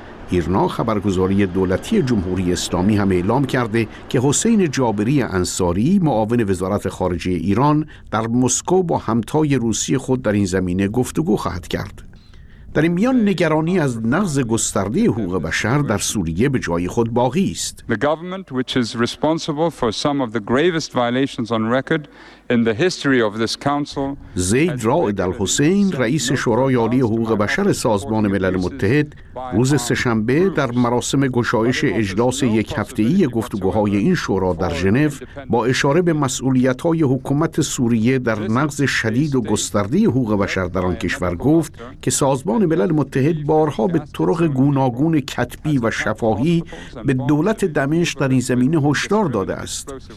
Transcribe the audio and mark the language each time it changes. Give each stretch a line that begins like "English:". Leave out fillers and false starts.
Persian: ایرنا خبرگزاری دولتی جمهوری اسلامی هم اعلام کرده که حسین جابری انصاری معاون وزارت خارجه ایران در مسکو با همتای روسی خود در این زمینه گفتگو خواهد کرد. در این میان نگرانی از نقض گسترده حقوق بشر در سوریه به جای خود باقی است.
English: The government which is responsible for some of the gravest violations on record in the history of this council.
Persian: زید رائد الحسین رئیس شورای عالی حقوق بشر سازمان ملل متحد روز سه‌شنبه در مراسم گشایش اجلاس یک هفته‌ای گفتگوهای این شورا در ژنو با اشاره به مسئولیت‌های حکومت سوریه در نقض شدید و گسترده حقوق بشر در آن کشور گفت که سازمان ملل متحد بارها به طرق گوناگون کتبی و شفاهی به دولت دمشق در این زمینه هشدار داده است.